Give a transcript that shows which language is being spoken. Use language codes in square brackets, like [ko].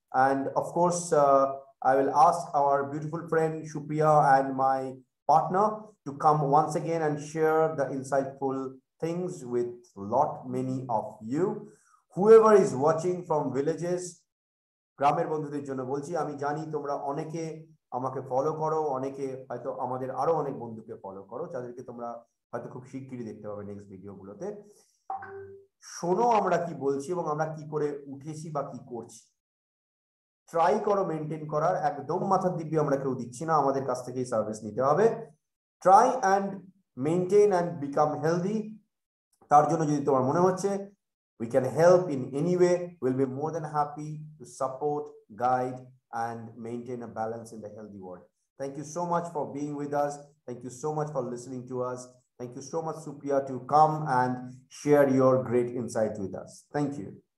[en] And of course, I will ask our beautiful friend Shupriya and my partner to come once again and share the insightful things with lot many of you. Whoever is watching from villages, [bn] গ্রামের বন্ধুদের জন্য বলছি, আমি জানি তোমরা অনেকে আমাকে follow করো, অনেকে হয়তো আমাদের আরো অনেক বন্ধুকে ফলো করো যাদেরকে তোমরা হয়তো খুব শিগগিরই দেখতে পাবে নেক্সট ভিডিওগুলোতে। শোনো আমরা কি বলছি এবং আমরা কি করে উঠেছি বা কি করছি, ট্রাই করো মেনটেন করার, একদম মাথার দিব্যি আমরা কেউ দিচ্ছি না, আমাদের কাছ থেকেই সার্ভিস নিতে হবে। [en] try and maintain and become healthy, [bn] তার জন্য যদি তোমার মনে হচ্ছে [en] we can help in any way, we'll be more than happy to support, guide and maintain a balance in the healthy world. Thank you so much for being with us, thank you so much for listening to us, thank you so much Supriya to come and share your great insight with us. Thank you